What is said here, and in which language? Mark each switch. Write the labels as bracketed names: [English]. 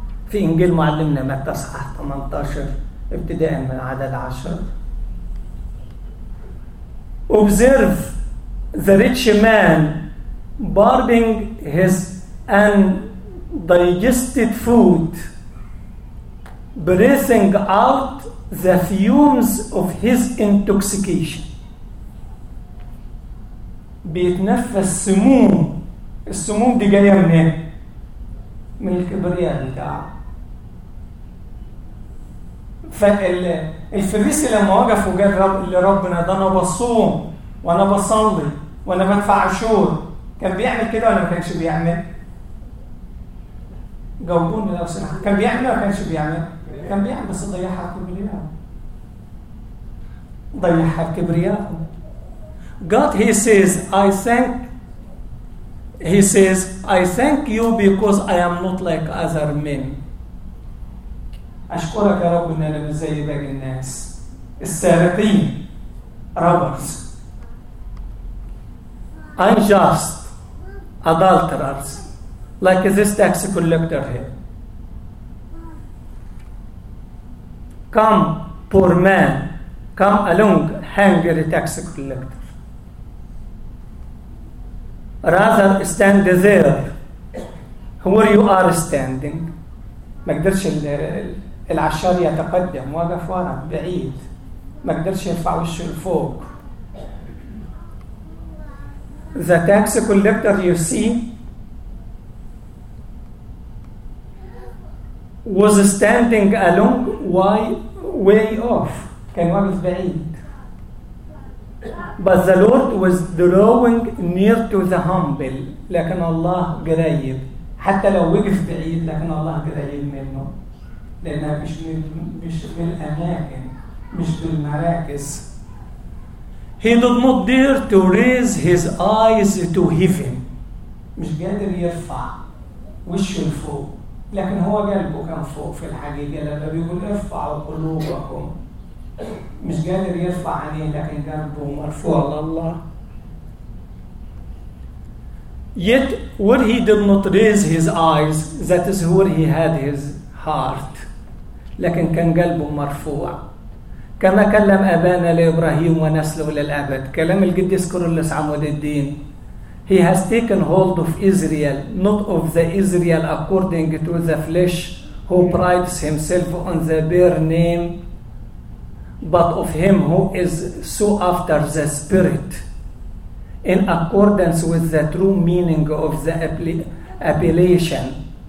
[Arabic] في إنجيل معلمنا متى صحح 18 ابتداء من عدد 10. [English] Observe the rich man barbing his and digested food breathing out the fumes of his intoxication. [Arabic] بيتنفس سموم، السموم دي جايه منين؟ من الكبرياء بتاعه. فالفريسي لما وقف وقال لربنا ده انا بصوم وانا بصلي وانا بدفع عشور، كان بيعمل كده ولا ما كانش بيعمل؟ جاوبوني لو سمحت، كان بيعمل ولا ما كانش بيعمل؟ كان بيعمل، بس ضيعها الكبرياء، ضيعها الكبرياء. [English] God, he says, I thank you because I am not like other men. [Arabic] أشكرك يا رب إن أنا مش زي باقي الناس. السارقين. [English] Robbers. Unjust. Adulterers. Like this tax collector here. Come, poor man. Come along, hungry tax collector. Rather stand there where you are standing. [Arabic] ما قدرش العشار يتقدم، واقف ورا بعيد، ما قدرش يرفع وشه لفوق. [English] The tax collector you see was standing a long way off. [Arabic] كان واقف بعيد. [English] But the Lord was drawing near to the humble. [Arabic] لكن الله قريب، حتى لو وقف بعيد لكن الله قريب منه، لأنه مش بالأماكن، مش بالمراكز. [English] He did not dare to raise his eyes to heaven. [Arabic] مش قادر يرفع وشه لفوق، لكن هو قلبه كان فوق في الحقيقة، لما بيقول ارفعوا قلوبكم، مش قادر يرفع عليه، لكن قلبه مرفوع لله. [English] Yet when he did not raise his eyes, that is where he had his heart. [Arabic] لكن كان قلبه مرفوع. كما كلم أبانا لإبراهيم ونسله للأبد. كلام القديس كرولس عمود الدين. [English] He has taken hold of Israel, not of the Israel according to the flesh, who prides himself on the bare name, but of him who is so after the spirit, in accordance with the true meaning of the appellation.